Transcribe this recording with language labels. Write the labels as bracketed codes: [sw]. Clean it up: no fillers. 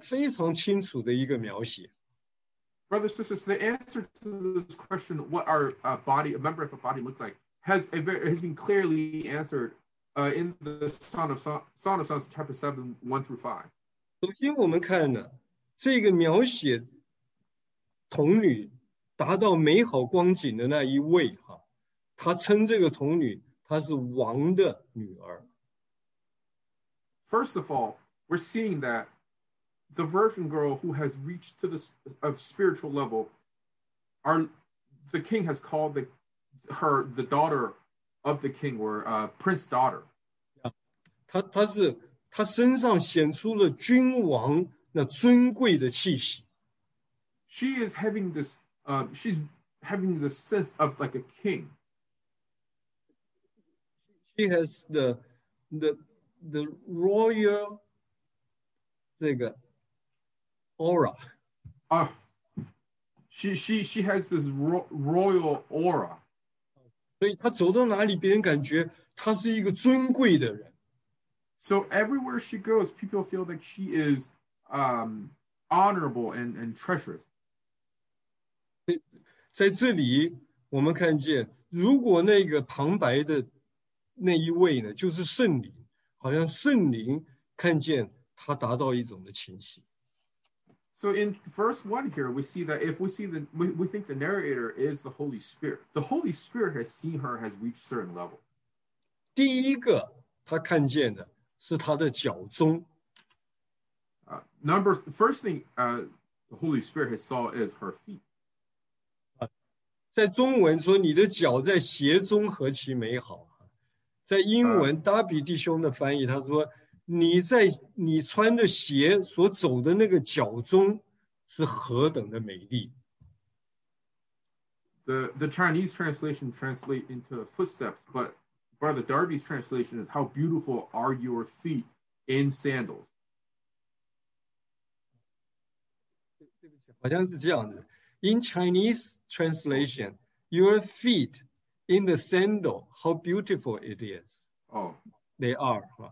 [zh] 弟兄姊妹们，这个答案呢，在雅各书第七章第一节到第五节呢，我们可以看见非常清楚的一个描写。 [en] Brothers and sisters, the answer to this question, what our body, a member of a body, look like, has been clearly answered in the Song of Songs, chapter 7, 1 through 5. [zh] 首先我们看呢，这个描写童女 达到美好光景的那一位，他称这个童女，她是王的女儿。 [en] First of all, we're seeing that the virgin girl who has reached to the of spiritual level, the king has called her the daughter of the king, or prince daughter. Yeah. [zh] 她身上显出了君王那尊贵的气息。 [en] She is having this, she's having the sense of like a king. She has the royal 这个 aura. She has this royal aura. [zh] 所以她走到哪里，别人感觉她是一个尊贵的人。 [en] So everywhere she goes, people feel like she is honorable and treacherous. [zh] 在这里我们看见，如果那个旁白的那一位呢，就是圣灵，好像圣灵看见他达到一种的情形。 [en] So in verse 1 here, we see that if we see we think the narrator is the Holy Spirit. The Holy Spirit has seen her, has reached certain level. [zh] 第一个他看见的是他的脚踪。 [en] The first thing the Holy Spirit has saw is her feet. [zh] 在中文说你的脚在鞋中何其美好。在英文达比弟兄的翻译他说你穿的鞋所走的那个脚踪是何等的美丽。 [en] The Chinese translation translates into footsteps, but Brother Darby's translation is how beautiful are your feet in sandals. [zh] 对不起，好像是这样子。 [en] In Chinese translation, your feet in the sandal, how beautiful it is. They are.